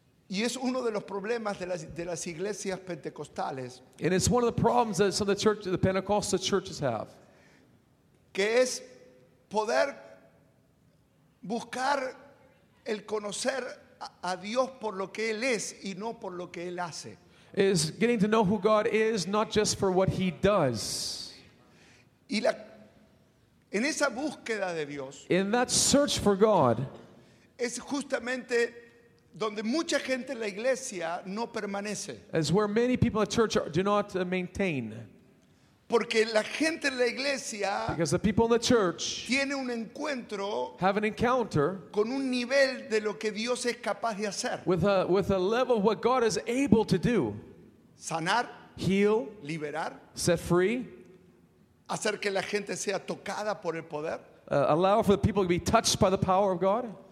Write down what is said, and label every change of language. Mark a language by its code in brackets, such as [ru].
[es] Y es uno de los problemas de las iglesias pentecostales. [en] And it's one of the problems that some of the Pentecostal churches have. [es] Que es poder buscar el conocer a Dios por lo que Él es y no por lo que Él hace. [en] Is getting to know who God is, not just for what He does. [es] Y la, en esa búsqueda de Dios, [en] in that search for God, [es] es justamente donde mucha gente en la iglesia no permanece. [en] Is where many people in church do not maintain. [es] Porque la gente en la iglesia, [en] because the people in the church, [es] tiene un encuentro, [en] have an encounter, [es] con un nivel de lo que Dios es capaz de hacer, [en] with a level of what God is able to do, [es] sanar, [en] heal, [es] liberar, [en] set free, [es] hacer que la gente sea tocada por el poder, [en] allow for the people to be touched by the power of God.